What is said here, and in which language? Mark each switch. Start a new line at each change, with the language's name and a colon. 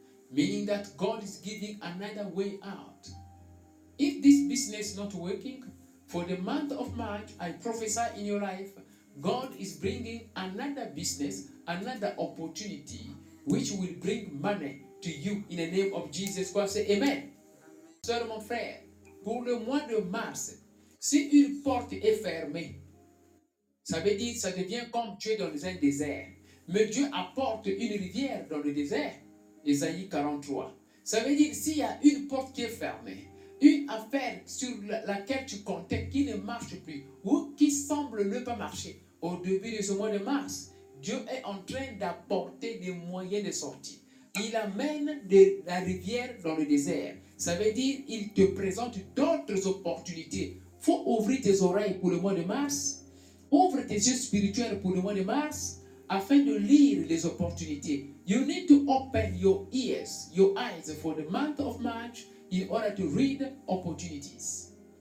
English: Meaning that God is giving another way out. If this business is not working, for the month of March, I prophesy in your life, God is bringing another business, another opportunity, which will bring money to you in the name of Jesus Christ. Say amen.
French: Sœur, mon frère, pour le mois de mars, si une porte est fermée, ça veut dire que ça devient comme tu es dans un désert. Mais Dieu apporte une rivière dans le désert. Ésaïe 43. Ça veut dire que s'il y a une porte qui est fermée, une affaire sur laquelle tu comptais qui ne marche plus ou qui semble ne pas marcher au début de ce mois de mars, Dieu est en train d'apporter des moyens de sortie. Il amène de la rivière dans le désert. Ça veut dire qu'il te présente d'autres opportunités. Il faut ouvrir tes oreilles pour le mois de mars. Ouvre tes yeux spirituels pour le mois de mars afin de lire les opportunités.
English: You need to open your ears, your eyes for the month of March in order to read opportunities.